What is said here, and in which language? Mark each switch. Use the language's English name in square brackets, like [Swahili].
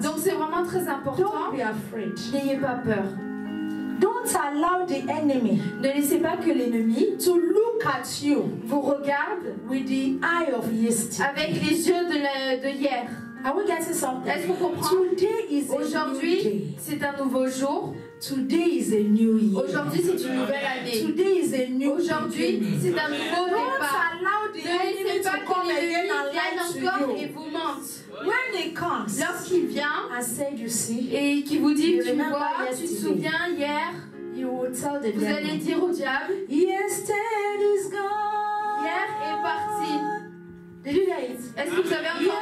[French] Donc c'est vraiment très important. [English] Don't be afraid. [French] N'ayez pas peur. [English] Don't allow the enemy. [French] Ne laissez pas que l'ennemi [English] to look at you. [French] Vous regarde [English] with the eye of yesterday. [French] Avec les yeux de hier. [English] Are we getting something? [French] Est-ce qu'on comprend? [English] Today is [French] aujourd'hui, [English] a new day. [French] C'est un nouveau jour. [English] Today is a new year. [French] Aujourd'hui, c'est une nouvelle année. [English] Today is a new [French] aujourd'hui, [English] beginning. [French] C'est un nouveau [English] don't [French] départ. [English] Don't allow the enemy to come again and lie to you. [French] Ne laissez pas qu'il vienne encore et vous mente. [English] When he comes, [French] lorsqu'il vient, [English] I say you see, [French] et qu'il vous dit, [English] you [French] tu vois, tu te souviens hier, [English] you will tell the [French] vous allez dire au diable, [English] yesterday is gone. [French] Hier est parti. [English] Did you hear it? [French] Est-ce que vous avez entendu?